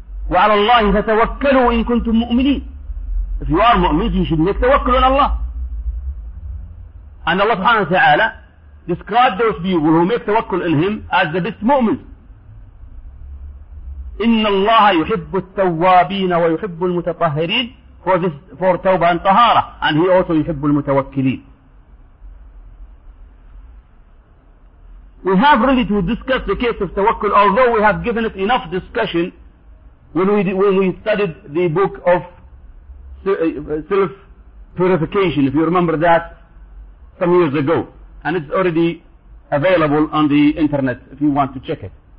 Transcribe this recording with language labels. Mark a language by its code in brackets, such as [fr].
[ar] وعلى الله فتوكلوا إن كنتم مؤمنين. [en] If you are mu'min, you should make tawakkul on Allah. And Allah سبحانه وتعالى describe those people who make tawakkul in him as the best mu'mins. [ar] إن الله يحب التوابين ويحب المتطهرين for توبة and طهارة, [en] and he also [ar] يحب المتوكلين. [en] We have really to discuss the case of tawakkul, although we have given it enough discussion when we studied the book of self-purification, if you remember that some years ago, and it's already available on the internet if you want to check it.